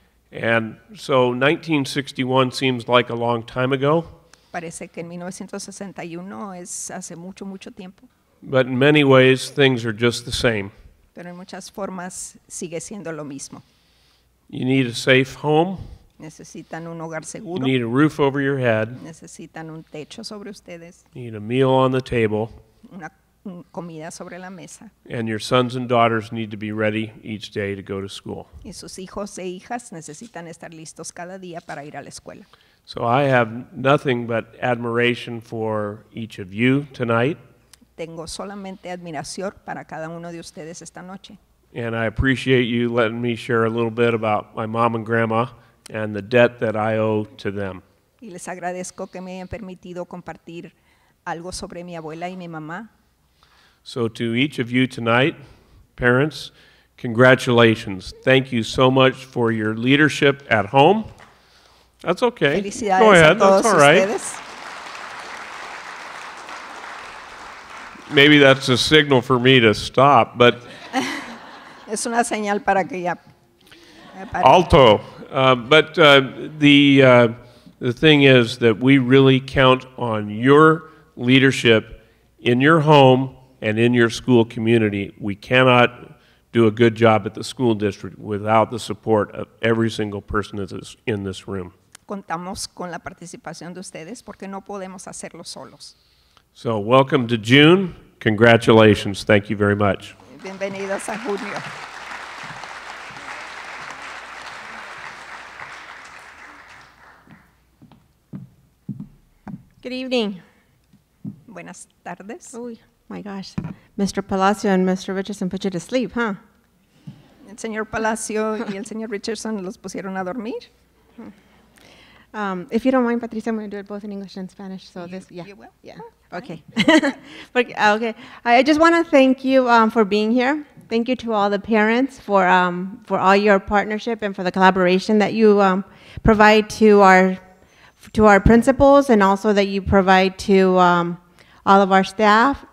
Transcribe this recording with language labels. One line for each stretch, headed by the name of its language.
English: And so 1961 seems like a long time ago.
Spanish: Parece que en 1961 es hace mucho, mucho tiempo.
English: But in many ways, things are just the same.
Spanish: Pero en muchas formas, sigue siendo lo mismo.
English: You need a safe home.
Spanish: Necesitan un hogar seguro.
English: You need a roof over your head.
Spanish: Necesitan un techo sobre ustedes.
English: You need a meal on the table.
Spanish: Una comida sobre la mesa.
English: And your sons and daughters need to be ready each day to go to school.
Spanish: Y sus hijos e hijas necesitan estar listos cada día para ir a la escuela.
English: So I have nothing but admiration for each of you tonight.
Spanish: Tengo solamente admiración para cada uno de ustedes esta noche.
English: And I appreciate you letting me share a little bit about my mom and grandma and the debt that I owe to them.
Spanish: Y les agradezco que me hayan permitido compartir algo sobre mi abuela y mi mamá.
English: So to each of you tonight, parents, congratulations. Thank you so much for your leadership at home. That's okay.
Spanish: Felicidades.
English: Go ahead.
Spanish: A todos.
English: That's all right.
Spanish: Ustedes.
English: Maybe that's a signal for me to stop, but
Spanish: es una señal para que ya alto.
English: But the The thing is that we really count on your leadership in your home and in your school community. We cannot do a good job at the school district without the support of every single person that's in this room.
Spanish: Contamos con la participación de ustedes porque no podemos hacerlo solos.
English: So, welcome to June. Congratulations. Thank you very much.
Spanish: Bienvenidos a junio.
English: Good evening.
Spanish: Buenas tardes.
English: Oh my gosh. Mr. Palacio and Mr. Richardson put you to sleep, huh?
Spanish: El señor Palacio y el señor Richardson los pusieron a dormir.
English: If you don't mind, Patricia, I'm going to do it both in English and Spanish. So you, this, yeah. You will? Yeah. Oh, okay. I just want to thank you for being here. Thank you to all the parents for all your partnership and for the collaboration that you provide to our principals, and also that you provide to all of our staff.